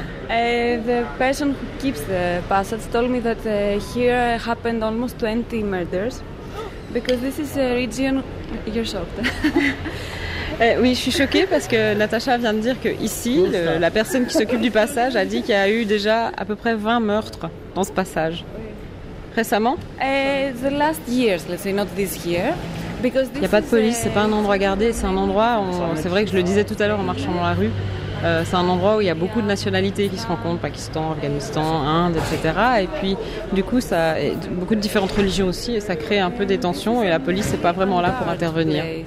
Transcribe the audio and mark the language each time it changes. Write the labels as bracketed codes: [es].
[en] The person who keeps the passage told me that here happened almost 20 murders because this is a region. You're shocked. [fr] Oui, je suis choquée parce que Natasha vient de dire que ici, la personne qui s'occupe du passage a dit qu'il y a eu déjà à peu près 20 meurtres dans ce passage. récemment? [en] The last years, let's say, not this year. [fr] Il n'y a pas de police, c'est pas un endroit gardé, c'est un endroit, c'est vrai que je le disais tout à l'heure en marchant dans la rue, c'est un endroit où il y a beaucoup de nationalités qui se rencontrent, Pakistan, Afghanistan, Inde, etc. Et puis du coup, ça, beaucoup de différentes religions aussi, et ça crée un peu des tensions et la police n'est pas vraiment là pour intervenir.